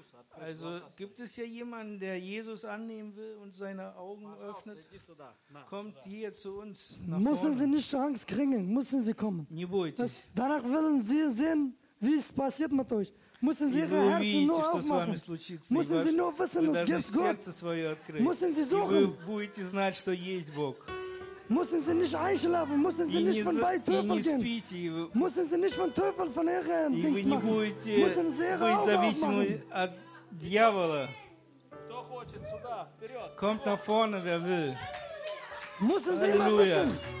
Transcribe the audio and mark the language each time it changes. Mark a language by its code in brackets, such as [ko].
[de] Also gibt es ja jemanden, der Jesus annehmen will und seine Augen öffnet? Kommt hier zu uns nach vorne. Müssen Sie nicht Angst kriegen, müssen Sie kommen. [ru] Не бойтесь. [de] Danach wollen Sie sehen, wie es passiert mit euch. Müssen Sie Ihre Herzen nur aufmachen. Müssen Sie nur wissen, es gibt Gott. Müssen Sie suchen. [ru] И вы будете знать, что есть Бог. [de] Müssen Sie nicht einschlafen, müssen Sie nicht von bei Teufel gehen. Müssen Sie nicht von Teufel von Ihren Dings machen. Müssen Sie Ihre Augen aufmachen. [ru] От дьявола. Кто хочет сюда, вперед. [de] Kommt nach vorne, wer will. Müssen Sie mal wissen.